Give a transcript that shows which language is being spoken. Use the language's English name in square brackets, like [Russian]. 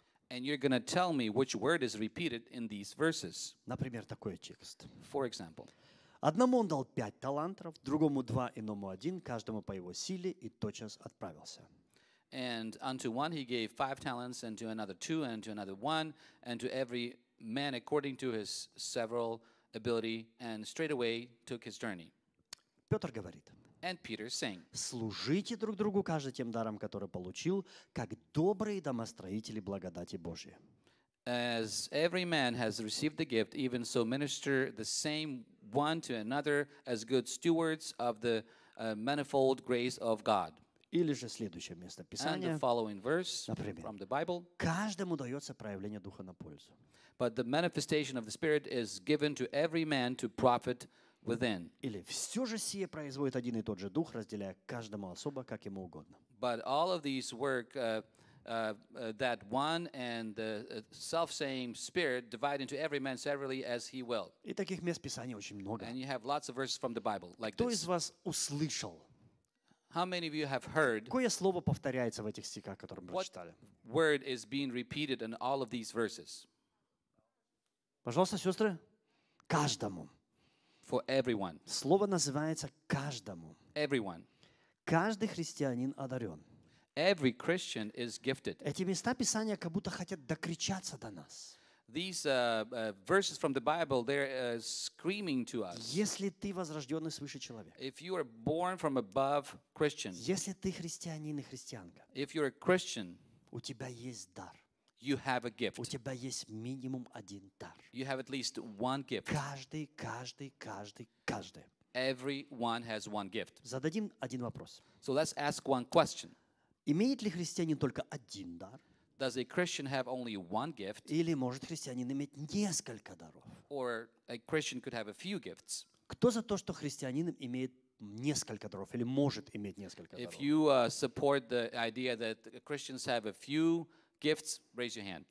[English] and you're going to tell me which word is repeated in these verses. [Russian] Например, [English] for example. [Russian] Одному он дал 5 талантов, другому 2, иному 1, каждому по его силе, и тотчас отправился. [English] And unto one he gave 5 talents, and to another 2, and to another 1, and to every man according to his several ability, and straight away took his journey. [Russian] Петр говорит, [English] and Peter saying, [Russian] служите друг другу каждый тем даром, который получил, как добрые домостроители благодати Божьей. [English] As every man has received the gift, even so minister the same one to another as good stewards of the manifold grace of God. [Russian] Или же следующее место Писания, [English] and the following verse, [Russian] например, [English] from the Bible, [Russian] каждому дается проявление Духа на пользу. [English] But the manifestation of the Spirit is given to every man to profit within. [Russian] Или все же сие производит один и тот же Дух, разделяя каждому особо, как ему угодно. [English] But all of these work that one and the self-same Spirit divide into every man severally as he will. [Russian] И таких мест Писания очень много. [English] And you have lots of verses from the Bible like this. [Russian] Кто из вас услышал? [English] How many of you have heard? [Russian] Какое слово повторяется в этих стихах, которые мы прочитали? [English] What word is being repeated in all of these verses? [Russian] Пожалуйста, сестры, каждому. [English] For everyone. [Russian] Слово называется каждому. [English] Everyone. [Russian] Каждый христианин одарен. [English] Every Christian is gifted. [Russian] Эти места Писания как будто хотят докричаться до нас. [English] These verses from the Bible, they're screaming to us. [Russian] Если ты возрожденный свыше человек. [English] If you are born from above Christian. [Russian] Если ты христианин и христианка. [English] If you're a Christian. [Russian] У тебя есть дар. [English] You have a gift. [Russian] У тебя есть минимум один дар. [English] You have at least one gift. [Russian] Каждый. [English] Everyone has one gift. [Russian] Зададим один вопрос. [English] So let's ask one question. [Russian] Имеет ли христианин только один дар? [English] Does a Christian have only one gift? [Russian] Или может христианин иметь несколько даров? [English] Or a Christian could have a few gifts? [Russian] Кто за то, что христианин имеет несколько даров или может иметь несколько даров? [English] If you support the idea that Christians have a few gifts, raise your hand.